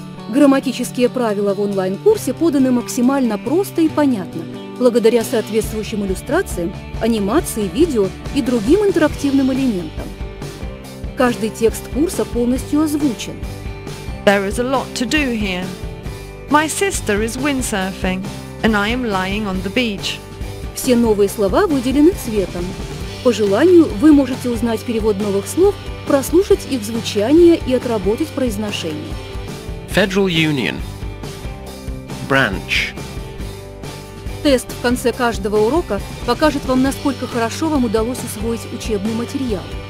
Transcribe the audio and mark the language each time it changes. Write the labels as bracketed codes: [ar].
[ru] Грамматические правила в онлайн-курсе поданы максимально просто и понятно, благодаря соответствующим иллюстрациям, анимации, видео и другим интерактивным элементам. Каждый текст курса полностью озвучен. [en] There is a lot to do here. My sister is windsurfing, and I am lying on the beach. [ru] Все новые слова выделены цветом. По желанию, вы можете узнать перевод новых слов, прослушать их звучание и отработать произношение. [en] Federal Union. Branch. [ru] Тест в конце каждого урока покажет вам, насколько хорошо вам удалось усвоить учебный материал.